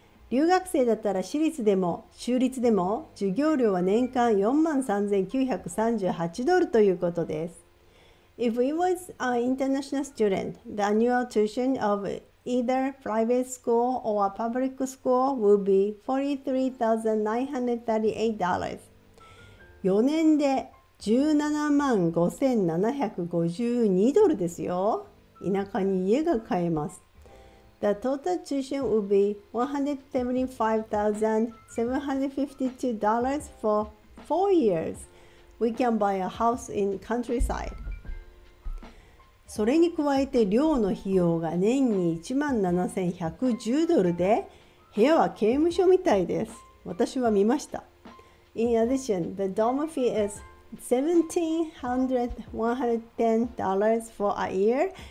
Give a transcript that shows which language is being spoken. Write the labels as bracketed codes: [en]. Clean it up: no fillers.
[ja] 留学生だったら私立でも州立でも授業料は年間$43,938ということです。 [en] If we was an international student, the annual tuition of either private school or a public school would be $43,938. [ja] 4年で$175,752ですよ。田舎に家が買えます。 [en] The total tuition would be $175,752 for 4 years. We can buy a house in countryside. [ja] それに加えて寮の費用が年に$17,110で、部屋は刑務所みたいです。私は見ました。 [en] In addition, the dorm fee is $1,710 for a year.